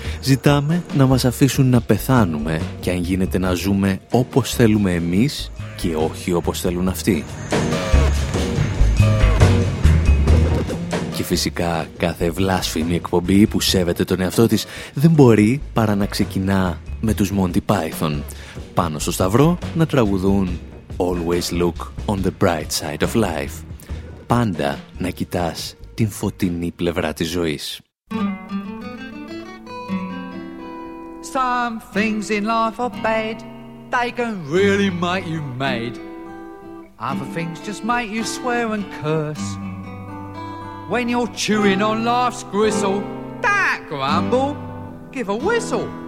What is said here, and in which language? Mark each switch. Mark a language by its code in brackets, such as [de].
[el] Ζητάμε να μας αφήσουν να πεθάνουμε και αν γίνεται να ζούμε όπως θέλουμε εμείς και όχι όπως θέλουν αυτοί. Και φυσικά κάθε βλάσφημη εκπομπή που σέβεται τον εαυτό της δεν μπορεί παρά να ξεκινά με τους Monty Python. Πάνω στο σταυρό να τραγουδούν [en] «Always look on the bright side of life». [el] Πάντα να κοιτάς την φωτεινή πλευρά της ζωής. [en] Some things in life are bad. They can really make you mad. Other things just make you swear and curse. When you're chewing on life's gristle, don't grumble, give a whistle.